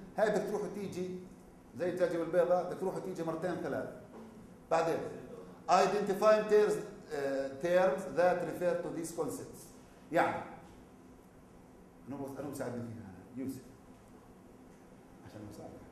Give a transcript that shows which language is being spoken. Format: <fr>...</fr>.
<ar>هاي بتروح وتيجي زي الدجاجة والبيضة بتروح وتيجي مرتين ثلاث.</ar> <en>بعدين identify terms that refer to these concepts.</en> <ar>يعني أنا مساعدني فيها يوسف عشان مساعدك.</ar>